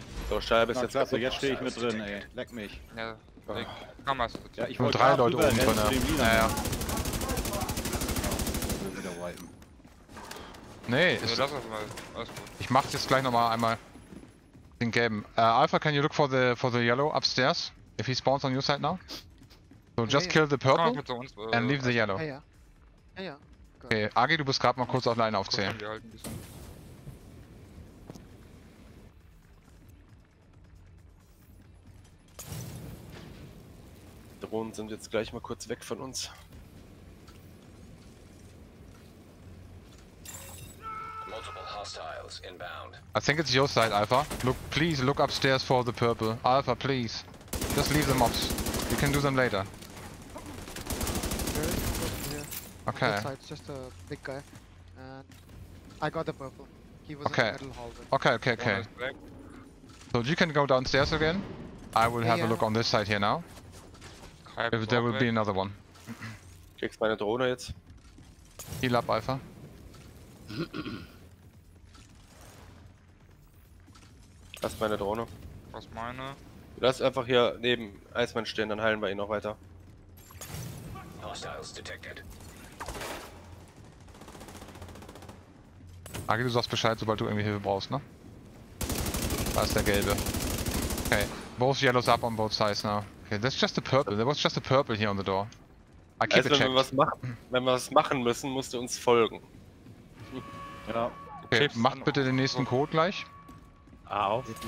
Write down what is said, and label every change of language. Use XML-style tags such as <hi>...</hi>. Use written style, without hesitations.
<de>So, Scheibe ist jetzt. Klasse, jetzt stehe ich mit drin, ey. Leck mich. Ja. Ich kann was. Ja, ich wollte 3 Leute oben drin. Naja. Nee, ist. Lass das mal. Ich mach jetzt gleich nochmal einmal den gelben.</de> <en>Alpha, can you look for the yellow upstairs? If he spawns on your side now? So, just kill the purple and leave the yellow.</en> <de>Ja, ja. Okay, Agi, du bist gerade mal kurz alleine auf C. Drohnen sind jetzt gleich mal kurz weg von uns.</de> <en>Multiple hostiles inbound. I think it's your side, Alpha. Look, please look upstairs for the purple. Alpha, please. Just leave the mobs. You can do them later. There is a purple here. Okay. Side, it's just a big guy. And I got the purple. He was okay. In the middle hallway. Okay, okay, okay. So you can go downstairs again. I will have a look on this side here now. If there will be another one.</en> <de>Kriegst meine Drohne jetzt.</de> <en>Heal up, Alpha.</en> <de>Lass meine Drohne. Was meine? Lass einfach hier neben Iceman stehen, dann heilen wir ihn noch weiter. Agi, du sagst Bescheid, sobald du irgendwie Hilfe brauchst, ne? Da ist der Gelbe.</de> <en>Okay, both yellows up on both sides now. Okay, that's just a purple. There was just a purple here on the door. I keep</en> <de>also, wenn wir was machen müssen, musst du uns folgen. Ja. Okay, Chips macht bitte den nächsten Code gleich. A auf.</de>